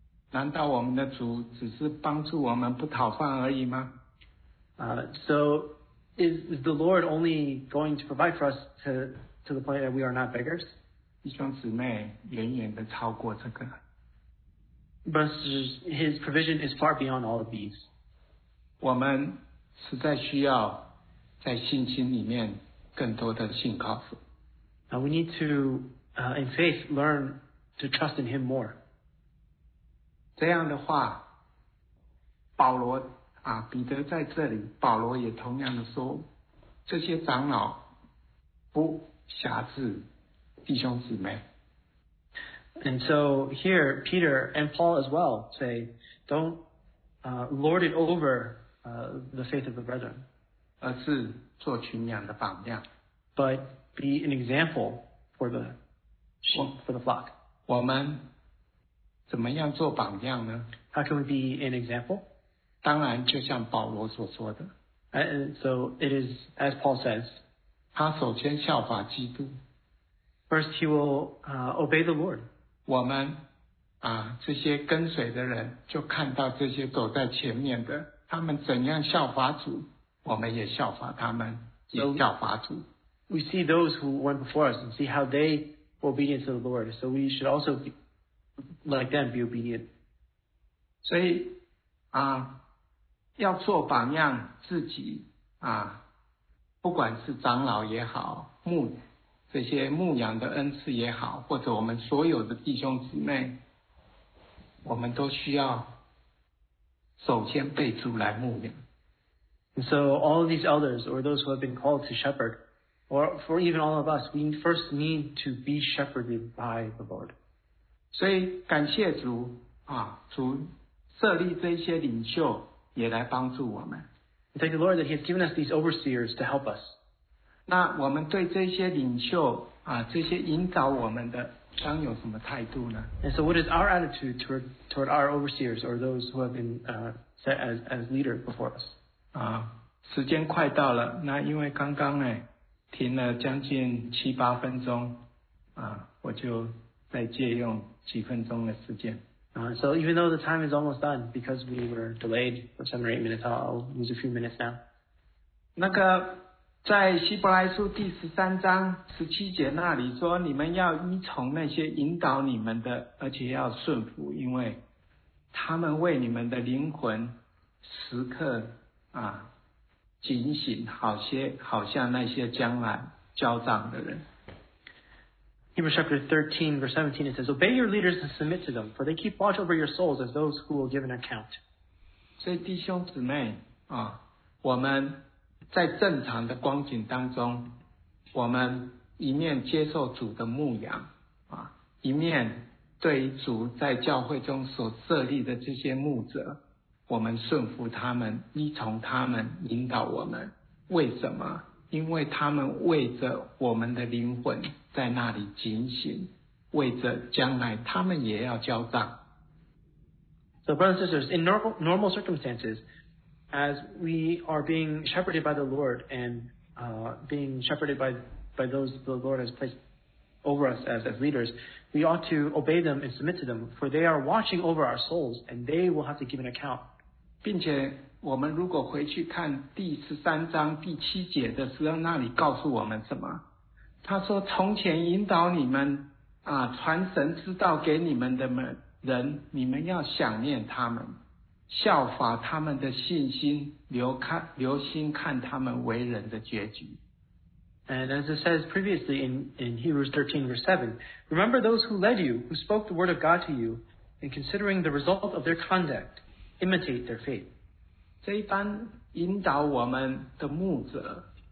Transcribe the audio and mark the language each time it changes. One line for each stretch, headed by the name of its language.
Chinese: 难道我们的主只是帮助我们不讨饭而已吗？
English: So is the Lord only going to provide for us to the point that we are not beggars?
Chinese: 弟兄姊妹，远远的超过这个。
English: But his provision is far beyond all of these.
Chinese: 我们实在需要。在信心里面更多的信靠主。
English: Now we need to, in faith, learn to trust in Him more.
Chinese: 这样的话，保罗啊，彼得在这里，保罗也同样的说，这些长老不辖制弟兄姊妹。
English: And so here, Peter and Paul as well say, don't lord it over the faith of the brethren.
Chinese: 而是做群羊的榜样。
English: But be an example for the sheep, for the flock.
Chinese: 我们怎么样做榜样呢？
English: How can we be an example?
Chinese: 当然就像保罗所说的。
English: So it is as Paul says.
Chinese: 他首先效法基督。
English: First he will obey the Lord.
Chinese: 我们啊这些跟随的人就看到这些走在前面的他们怎样效法主我们也效法他们也效法主。
English: So we see those who went before us and see how they were obedient to the Lord, so we should also be, like them, be obedient.
Chinese: 所以啊要做榜样自己啊不管是长老也好牧这些牧羊的恩赐也好或者我们所有的弟兄姊妹我们都需要首先被主来牧养。
English: And so all of these elders or those who have been called to shepherd,Or for even all of us, we first need to be shepherded by the Lord.
Chinese: 所以感谢主啊，主设立这些领袖也来帮助我们。
English: Thank the Lord that He has given us these overseers to help us.
Chinese: 那我们对这些领袖啊，这些引导我们的，当有什么态度呢？
English: And so, what is our attitude toward our overseers or those who have been set as leader before us?
Chinese: 啊，时间快到了，那因为刚刚呢。停了将近七八分钟啊我就再借用几分钟的时间。
English: So even though the time is almost done, because we were delayed for 7 or 8 minutes, I'll use a few minutes now.
Chinese: 那个在希伯来书第十三章十七节那里说你们要依从那些引导你们的而且要顺服因为他们为你们的灵魂时刻啊警醒好些好像那些将来交账的人。
English: Hebrews chapter 13 verse 17 it says, Obey your leaders and submit to them, for they keep watch over your souls as those who will give an account.
Chinese: 所以弟兄姊妹啊我们在正常的光景当中我们一面接受主的牧养啊一面对主在教会中所设立的这些牧者我们顺服他们依从他们引导我们为什么因为他们为着我们的灵魂在那里警醒为着将来他们也要交账
English: So brothers and sisters in normal circumstances as we are being shepherded by the Lord and being shepherded by those the Lord has placed over us as leaders we ought to obey them and submit to them for they are watching over our souls and they will have to give an account
Chinese: 并且我们如果回去看第十三章第七节的时候那里告诉我们什么他说从前引导你们啊，传神之道给你们的人你们要想念他们效法他们的信心留心看他们为人的结局
English: And as it says previously in Hebrews 13 verse 7 Remember those who led you who spoke the word of God to you and considering the result of their conductimitate their faith.
Chinese: 这一般引导我们的牧者